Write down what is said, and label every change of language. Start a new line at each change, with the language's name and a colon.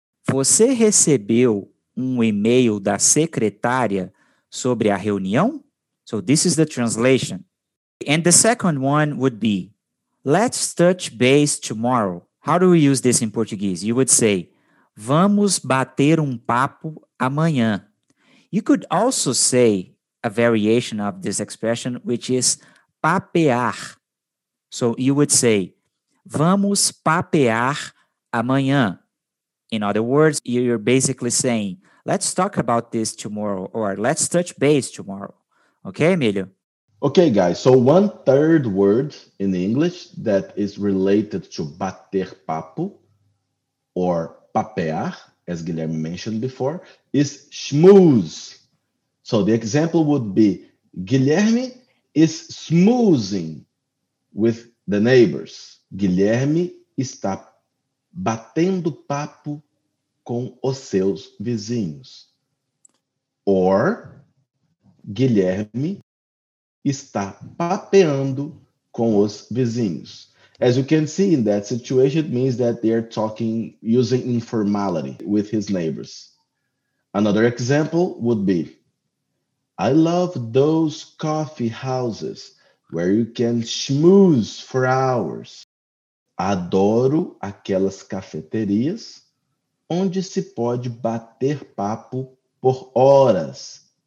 Portuguese: Você recebeu e-mail da secretária sobre a reunião?
English: So this is the translation. And the second one would be, let's touch base tomorrow. How do we use this in Portuguese? You would say,
Portuguese: vamos bater papo amanhã.
English: You could also say a variation of this expression, which is papear. So you would say,
Portuguese: vamos papear amanhã.
English: In other words, you're basically saying, let's talk about this tomorrow, or let's touch base tomorrow. Okay, Emilio? Okay, guys. So one third word in English that is related to bater papo or papear, as Guilherme mentioned before, is schmooze. So the example would be, Guilherme is schmoozing with the neighbors.
Portuguese: Guilherme está batendo papo com os seus vizinhos. Or, Guilherme está papeando com os vizinhos.
English: As you can see in that situation, it means that they are talking using informality with his neighbors. Another example would be, I love those coffee houses where you can schmooze for hours.
Portuguese: Adoro aquelas cafeterias onde se pode bater papo por horas.